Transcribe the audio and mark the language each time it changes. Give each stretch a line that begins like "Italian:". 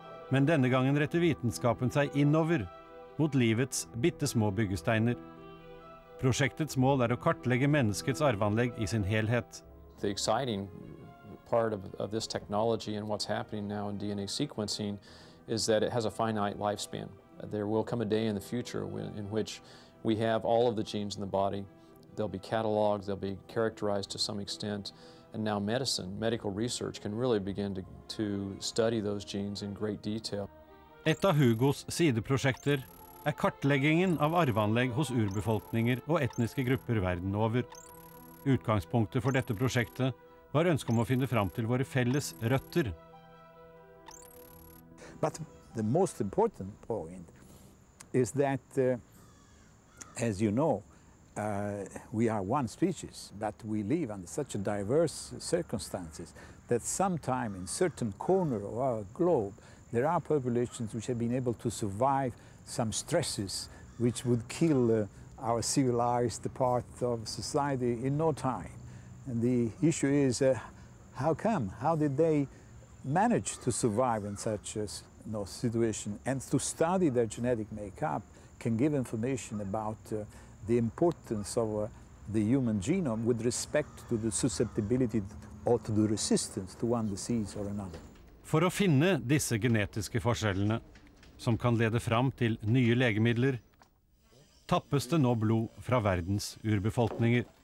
Norwegian: Men denne gangen retter vitenskapen seg innover mot livets bittesmå byggesteiner. Prosjektets mål å kartlegge menneskets arveanlegg i sin helhet.
English: The exciting part of this technology and what's happening now in DNA sequencing is that it has a finite lifespan. There will come a day in the future in which we have all of the genes in the body. They'll be cataloged, they'll be characterized to some extent, and now medical research can really begin to study those genes in great detail.
Norwegian: Et av HUGOs sideprosjekter kartleggingen av arveanlegg hos urbefolkninger og etniske grupper verden over. Utgangspunktet for dette prosjektet var ønsket om å finne fram til våre felles røtter.
English: But the most important point is that, as you know, we are one species, but we live under such a diverse circumstances that sometime in certain corner of our globe there are populations which have been able to survive some stresses which would kill our civilized part of society in no time. And the issue is, how come? How did they manage to survive in such a situation? And to study their genetic makeup can give information about the importance of the human genome with respect to the susceptibility or to the resistance to one disease or another.
Norwegian: For å finne disse genetiske forskjellene, som kan lede fram til nye legemidler, tappes det nå blod fra verdens urbefolkninger.